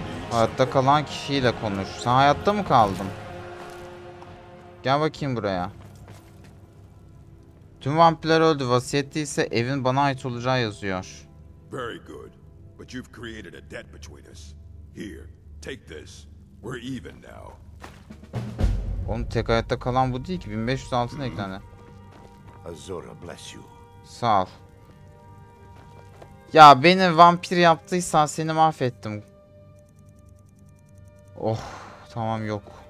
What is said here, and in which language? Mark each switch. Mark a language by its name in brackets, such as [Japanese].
[Turkish] Hayatta kalan kişiyle konuş. Sen hayatta mı kaldın? Gel bakayım buraya. Tüm vampirler öldü. Vasiyeti ise evin bana ait olacağı yazıyor. [English] Very good. But you've created a debt between us. Here, take this. We're even now. [Turkish] Onun tek hayatta kalan bu değil ki. 1500 altın eklendi. [English] Azura bless you. [Turkish] Sağ ol. Ya beni vampir yaptıysan seni mahvettim. Oh tamam yok.